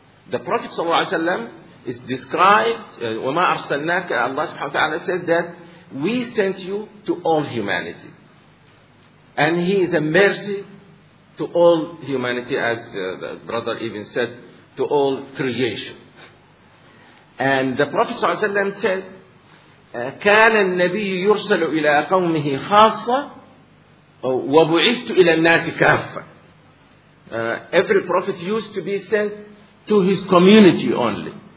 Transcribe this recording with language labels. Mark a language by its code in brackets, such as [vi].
[en] The Prophet ﷺ is described, [ar] وَمَا أَرْسَلْنَاكَ, [en] Allah subhanahu wa ta'ala said that we sent you to all humanity. And he is a mercy to all humanity, as the brother even said, to all creation. And the Prophet ﷺ said, [ar] كَانَ النَّبِيُّ يُرْسَلُ إِلَىٰ قَوْمِهِ خَاصَّةً وَبُعِثْتُ إِلَىٰ النَّاسِ كَافَّةً. [en] Every prophet used to be sent to his community only.